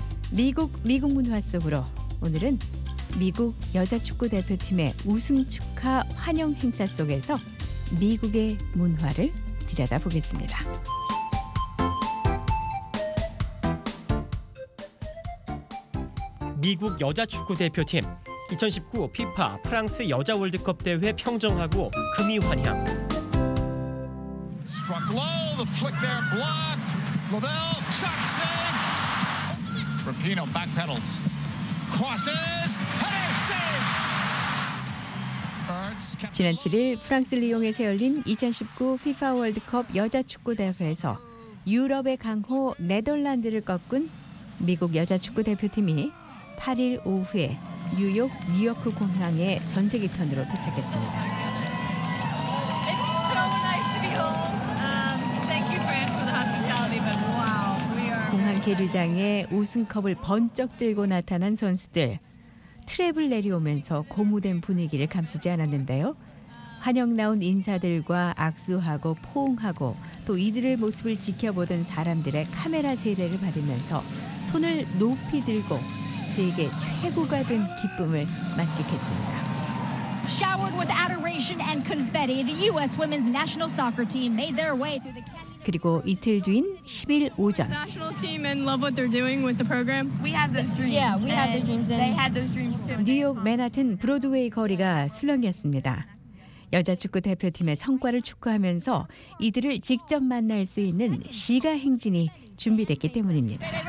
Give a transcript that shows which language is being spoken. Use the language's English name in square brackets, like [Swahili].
[Korean] 미국 미국 문화 속으로 오늘은 미국 여자축구 대표팀의 우승 축하 환영 행사 속에서 미국의 문화를 들여다보겠습니다. 미국 여자축구 대표팀 2019 FIFA 프랑스 여자 월드컵 대회 평정하고 금의 환영. [English] Struck low, the flick there blocked. Lavelle, shot save. Rapino back pedals. Crosses, heading save. [Korean] 지난 7일 프랑스 리옹에서 열린 2019 FIFA 월드컵 여자 축구 대회에서 유럽의 강호 네덜란드를 꺾은 미국 여자 축구 대표팀이 8일 오후에 뉴욕 뉴워크 공항에 전세기 편으로 도착했습니다. [English] It's so nice to be home. Thank you, France, for the hospitality. But wow, we are [Korean] 공항 계류장에 우승컵을 번쩍 들고 나타난 선수들 트랩을 내려오면서 고무된 분위기를 감추지 않았는데요. 환영 나온 인사들과 악수하고 포옹하고 또 이들의 모습을 지켜보던 사람들의 카메라 세례를 받으면서 손을 높이 들고. 세계 최고가 된 기쁨을 만끽했습니다. [English] Showered with adoration and confetti, the U.S. Women's National Soccer Team made their way through the canyon. [Korean] 그리고 이틀 뒤인 10일 오전. [English] National Team and love what they're doing with the program. We have those dreams. Yeah, we have those dreams. They had those dreams too. [Korean] 뉴욕 맨하튼 브로드웨이 거리가 술렁였습니다. 여자 축구 대표팀의 성과를 축하하면서 이들을 직접 만날 수 있는 시가 행진이 준비됐기 때문입니다.